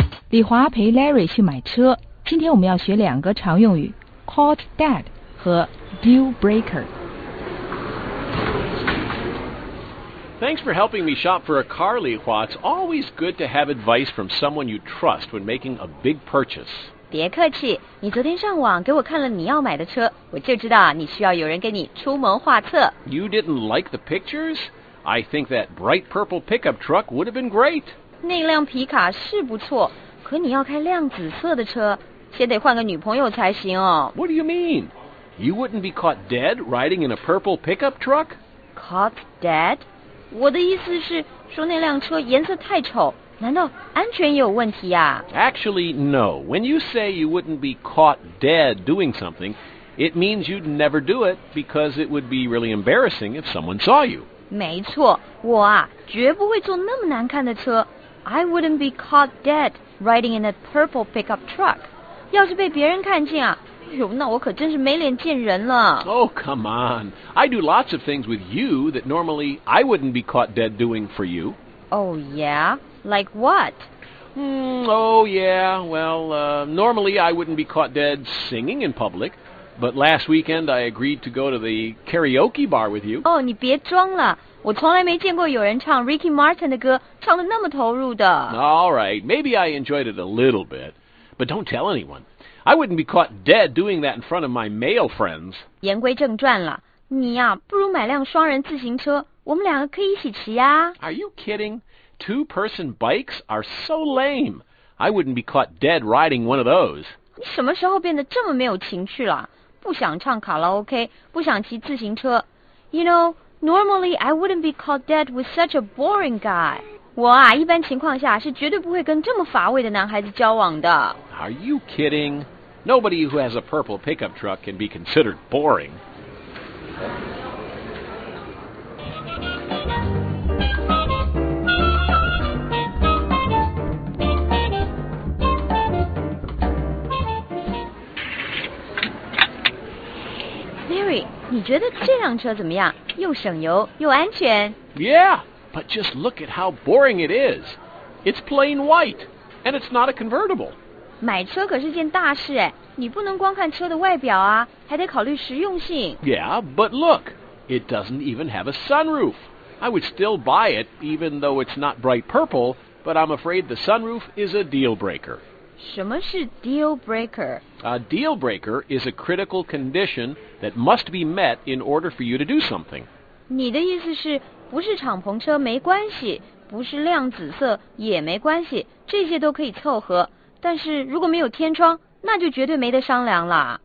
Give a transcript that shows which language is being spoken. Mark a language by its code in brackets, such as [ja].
[zh] 李华陪 Larry 去买车。今天我们要学两个常用语 ：caught dead 和 deal breaker。 [en] Thanks for helping me shop for a car, Li Hua. It's always good to have advice from someone you trust when making a big purchase. [zh] 别客气，你昨天上网给我看了你要买的车，我就知道你需要有人给你出谋划策。 [en] You didn't like the pictures? I think that bright purple pickup truck would have been great. [zh] 那辆皮卡是不错，可你要开亮紫色的车，先得换个女朋友才行哦。 [en] What do you mean? You wouldn't be caught dead riding in a purple pickup truck? Caught dead? [zh] 我的意思是说那辆车颜色太丑，难道安全也有问题啊？ [en] Actually, no. When you say you wouldn't be caught dead doing something, it means you'd never do it because it would be really embarrassing if someone saw you. [zh] 没错，我啊，绝不会坐那么难看的车。 [en] I wouldn't be caught dead riding in a purple pickup truck. [zh] 要是被别人看见啊，那我可真是没脸见人了。 [en] Oh, come on. I do lots of things with you that normally I wouldn't be caught dead doing for you. Oh, yeah? Like what? Normally I wouldn't be caught dead singing in public. But last weekend I agreed to go to the karaoke bar with you. [zh] Oh, 你别装了。我从来没见过有人唱 Ricky Martin 的歌唱得那么投入的。 [en] All right, maybe I enjoyed it a little bit. But don't tell anyone. I wouldn't be caught dead doing that in front of my male friends. [zh] 言归正传了，你呀，不如买辆双人自行车，我们两个可以一起骑呀。 [en] Are you kidding? Two-person bikes are so lame. I wouldn't be caught dead riding one of those. [zh] 你什么时候变得这么没有情趣了？不想唱卡拉 OK， 不想骑自行车。 [en] You know, normally I wouldn't be caught dead with such a boring guy. [zh] 我啊，一般情况下是绝对不会跟这么乏味的男孩子交往的。 [en] Are you kidding? Nobody who has a purple pickup truck can be considered boring. [zh] Larry, 你觉得这辆车怎么样？又省油又安全。 [en] Yeah. But just look at how boring it is. It's plain white, and it's not a convertible. [zh] 买车可是件大事哎，你不能光看车的外表啊，还得考虑实用性。 [en] Yeah, but look, it doesn't even have a sunroof. I would still buy it, even though it's not bright purple, but I'm afraid the sunroof is a deal breaker. [zh] 什么是 deal breaker? [en] A deal breaker is a critical condition that must be met in order for you to do something. [zh] 你的意思是不是敞篷车没关系，不是亮紫色也没关系，这些都可以凑合。但是如果没有天窗，那就绝对没得商量了。